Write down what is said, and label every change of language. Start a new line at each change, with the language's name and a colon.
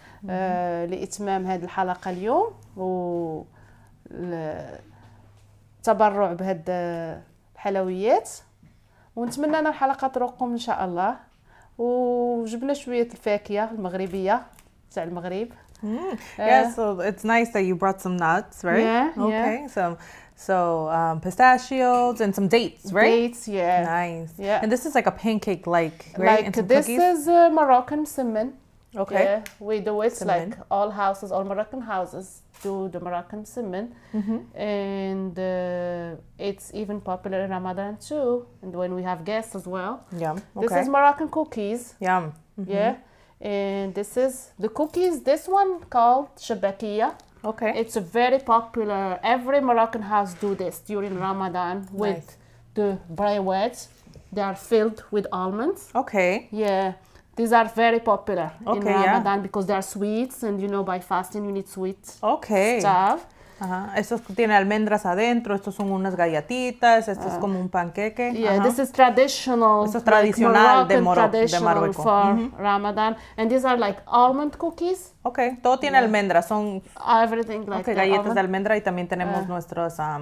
Arabic: لإتمام هذه الحلقة اليوم و التبرع بهذه الحلويات. ونتمنى أن الحلقة تروقكم إن شاء الله. وجبنا شوية الفاكية المغربية تاع المغرب.
English: Yeah, so it's nice that you brought some nuts, right? Yeah. Okay. Yeah. So pistachios and some dates, right? Dates, yeah. Nice. Yeah. And this is like a pancake, like, right? Like this cookies? Is Moroccan cinnamon. Okay. Yeah. We do it cinnamon. Like all houses, all Moroccan houses do the Moroccan cinnamon. Mm-hmm. And it's even popular in Ramadan too. And when we have guests as well. Yum. Okay. This is Moroccan cookies. Yum. Mm-hmm. Yeah. And this is the cookies. This one called shabakia. Okay. It's a very popular. Every Moroccan house do this during Ramadan with nice. The brewet. They are filled with almonds. Okay. Yeah. These are very popular okay, in Ramadan yeah. because they are sweets. And you know, by fasting, you need sweet okay. stuff. Uh-huh.
Spanish: Estos tienen almendras adentro, estos son unas galletitas, esto es como un panqueque.
English: Yeah, uh-huh. this is traditional.
Spanish: Esto es tradicional de Marruecos.
English: For mm-hmm. Ramadan. And these are like almond cookies.
Spanish: Okay, todo tiene
English: yeah.
Spanish: almendras, son
English: everything like
Spanish: okay, galletas almond. De almendra y también tenemos nuestros,